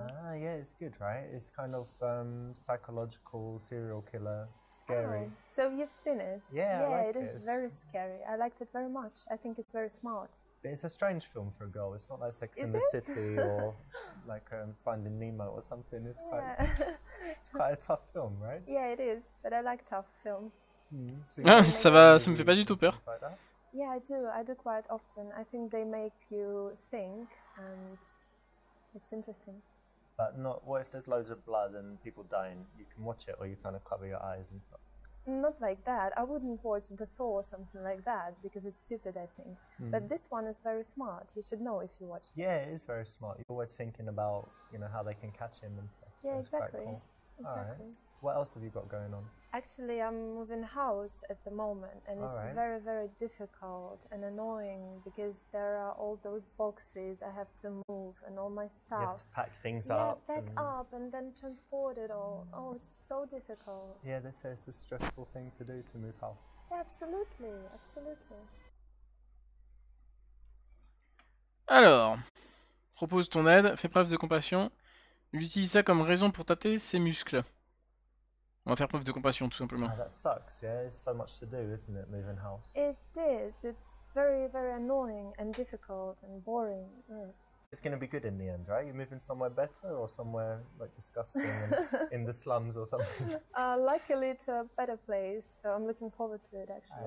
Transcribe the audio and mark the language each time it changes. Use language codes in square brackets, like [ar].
[en] Ah, yeah, it's good, right? It's kind of psychological, serial killer, scary. Oh, so you've seen it? Yeah, yeah, I like it. Yeah, it is very scary. I liked it very much. I think it's very smart. But it's a strange film for a girl. It's not like Sex Is in the it? City or like Finding Nemo or something. It's quite it's quite a tough film, right? Yeah, it is. But I like tough films. Mm-hmm. [fr] So ça va, ça me fait pas du tout peur. [en] Like yeah, I do. I do quite often. I think they make you think and it's interesting. But not what if there's loads of blood and people dying? You can watch it or you kind of cover your eyes and stuff. Not like that. I wouldn't watch The Saw or something like that because it's stupid, I think. Mm. But this one is very smart. You should know if you watch it. Yeah, it is very smart. You're always thinking about, you know, how they can catch him and stuff. Yeah, exactly. Quite cool. Exactly. All right. What else have you got going on? Actually, I'm moving house at the moment and all it's right. very, very difficult and annoying because there are all those boxes I have to move and all my stuff. You have to pack things yeah, up. Yeah, pack up and then transport it all. Mm. Oh, it's so difficult. Yeah, they say it's a stressful thing to do to move house. Yeah, absolutely, absolutely. [fr] Alors, propose ton aide, fais preuve de compassion. J'utilise ça comme raison pour tâter ses muscles. On va faire preuve de compassion, tout simplement. [en] Ah, that sucks, yeah? It's so much to do, isn't it, moving house? It is. It's very, very annoying and difficult and boring. Yeah. It's going to be good in the end, right? You're moving somewhere better or somewhere, like, disgusting and in the slums or something? Luckily, to a better place, so I'm looking forward to it, actually.